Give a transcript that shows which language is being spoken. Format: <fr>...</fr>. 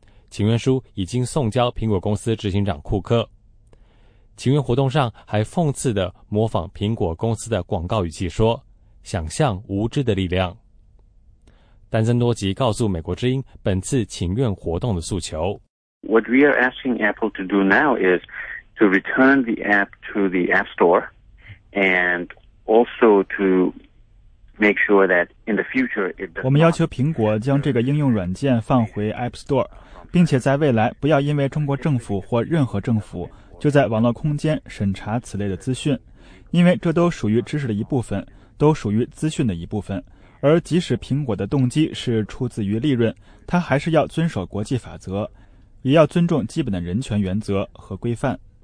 <zh>请愿书已经送交苹果公司执行长库克。请愿活动上还讽刺地模仿苹果公司的广告语气说，想象无知的力量。丹增多吉告诉美国之音本次请愿活动的诉求。</zh> <en>What we are asking Apple to do now is to return the app to the App Store and also to make sure that in the future it does not.</en> <zh>我们要求苹果将这个应用软件放回 App Store, 并且在未来不要因为中国政府或任何政府就在网络空间审查此类的资讯，因为这都属于知识的一部分，都属于资讯的一部分。而即使苹果的动机是出自于利润，它还是要遵守国际法则，也要尊重基本的人权原则和规范。</zh>